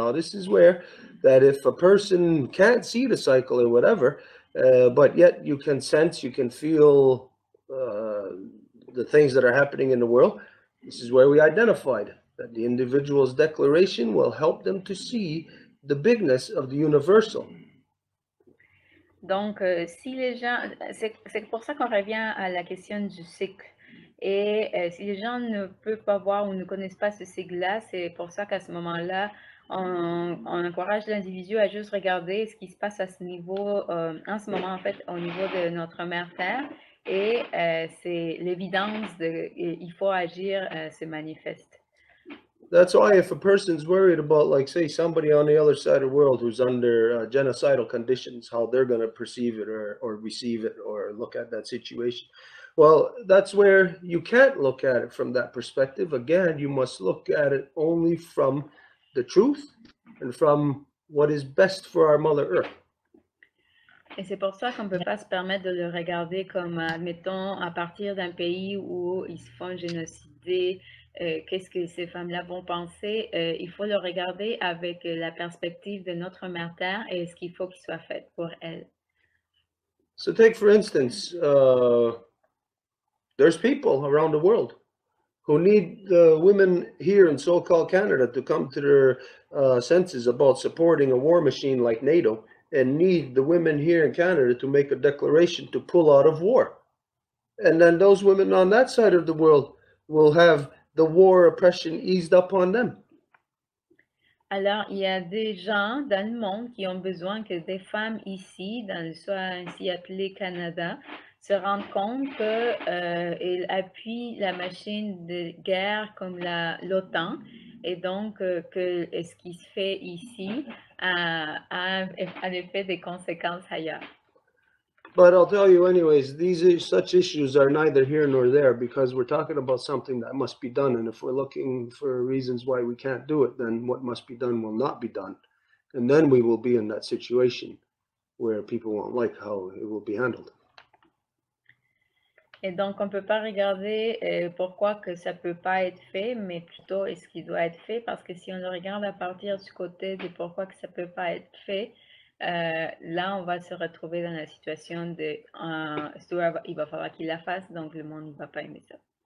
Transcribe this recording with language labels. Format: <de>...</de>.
<en>Now, this is where that if a person can't see the cycle or whatever, but yet you can sense, you can feel the things that are happening in the world. This is where we identified that the individual's declaration will help them to see the bigness of the universal.</en> <fr>Donc, si les gens, c'est pour ça qu'on revient à la question du cycle. Et si les gens ne peuvent pas voir ou ne connaissent pas ce cycle-là, c'est pour ça qu'à ce moment-là, on encourage l'individu à juste regarder ce qui se passe à ce niveau, en ce moment, en fait, au niveau de notre mère Terre. Et c'est l'évidence qu'il faut agir se manifeste.</fr> <en>That's why if a person's worried about, like, say, somebody on the other side of the world who's under genocidal conditions, how they're going to perceive it or receive it or look at that situation. Well, that's where you can't look at it from that perspective. Again, you must look at it only from the truth and from what is best for our Mother Earth.</en> <fr>Et c'est pour ça qu'on ne peut pas se permettre de le regarder comme, admettons, à partir d'un pays où ils se font génocider, qu'est-ce que ces femmes-là vont penser. Il faut le regarder avec la perspective de notre mère Terre et ce qu'il faut qu'il soit fait pour elles.</fr> <en>So take for instance, there's people around the world who need the women here in so-called Canada to come to their senses about supporting a war machine like NATO. And need the women here in Canada to make a declaration to pull out of war. And then those women on that side of the world will have the war oppression eased up on them.</en> <fr>Alors, il y a des gens dans le monde qui ont besoin que des femmes ici, dans le soit ainsi appelé Canada, se rendent compte qu'elles appuient la machine de guerre comme l'OTAN. Et donc, que ce qui se fait ici a un effet des conséquences ailleurs.</fr> <en>But I'll tell you anyways, these are such issues are neither here nor there, because we're talking about something that must be done. And if we're looking for reasons why we can't do it, then what must be done will not be done. And then we will be in that situation where people won't like how it will be handled.</en> <fr>Et donc, on ne peut pas regarder pourquoi que ça ne peut pas être fait, mais plutôt est-ce qu'il doit être fait, parce que si on le regarde à partir du côté de pourquoi que ça ne peut pas être fait, là, on va se retrouver dans la situation de Stuart, il va falloir qu'il la fasse, donc le monde ne va pas aimer ça.</fr>